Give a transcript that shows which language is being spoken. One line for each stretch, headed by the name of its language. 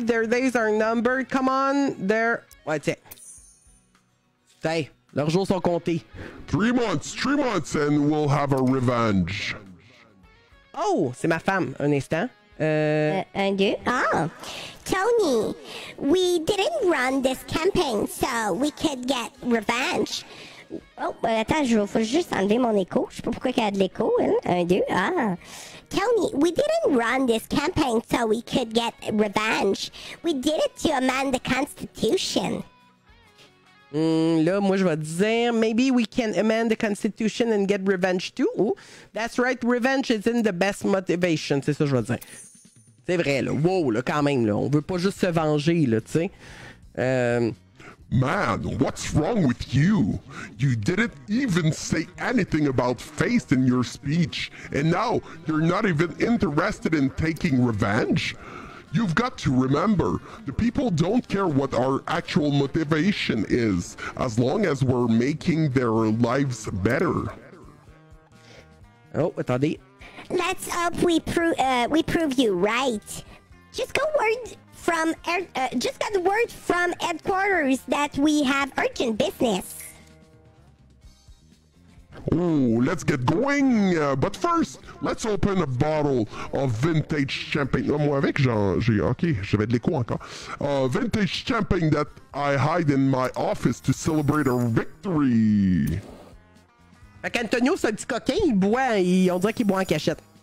English: Their days are numbered. Come on, they're...
French: Ouais, tiens. Hey, leurs jours sont comptés.
English: Three months, and we'll have a revenge.
French: Oh, c'est ma femme. Un instant. Un, deux. Ah, oh.
English: Tony, we didn't run this campaign, so we could get revenge.
French: Oh, ben attends, il faut juste enlever mon écho. Je sais pas pourquoi qu'il y a de l'écho, hein. Un, deux, ah.
English: Tony, we didn't run this campaign so we could get revenge. We did it to amend the Constitution.
French: Là, moi, je vais dire,
English: maybe we can amend the Constitution and get revenge too. Ooh, that's right, revenge is in the best motivation.
French: C'est ça que je vais dire. C'est vrai, là. Wow, là, quand même, là. On veut pas juste se venger, là, tu sais.
English: Man, what's wrong with you? You didn't even say anything about faith in your speech, and now you're not even interested in taking revenge? You've got to remember, the people don't care what our actual motivation is, as long as we're making their lives better.
French: Oh, attendez.
English: Let's hope we prove you right. Just go word... From just got word from headquarters that we have urgent business. Oh, let's get going. But first, let's open a bottle of vintage champagne.
French: Moi avec, j'avais de l'écho encore.
English: Vintage champagne that I hide in my office to celebrate our victory.
French: Fait qu'Antonio, c'est un petit coquin, il boit, on dirait qu'il boit en cachette.